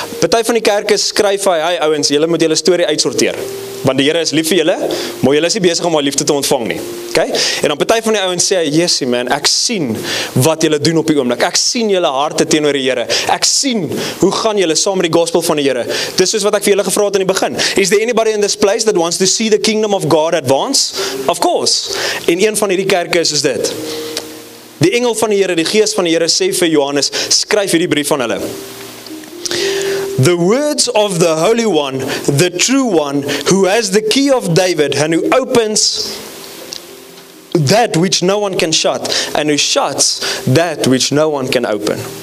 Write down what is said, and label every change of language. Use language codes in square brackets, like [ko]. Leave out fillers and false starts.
[af] Party van die kerke skryf hy ouens, julle moet julle storie uitsorteer. Want die Here is lief vir julle, maar julle is nie besig om hy liefde te ontvang nie. Okay? En dan party van die ouens sê hy, "Jesusie man, ek sien wat julle doen op die oomblik. Ek sien julle harte teenoor die Here. Ek sien hoe gaan julle saam met die gospel van die Here." Dis soos wat ek vir julle gevra het in die begin. [en] Is there anybody in this place that wants to see the kingdom of God advance? Of course. [af] In een van hierdie kerke is dit. Die engel van die Here, die gees van die Here sê vir Johannes, skryf hierdie brief aan hulle. [en] The words of the Holy One, the true One, who has the key of David and who opens that which no one can shut and who shuts that which no one can open.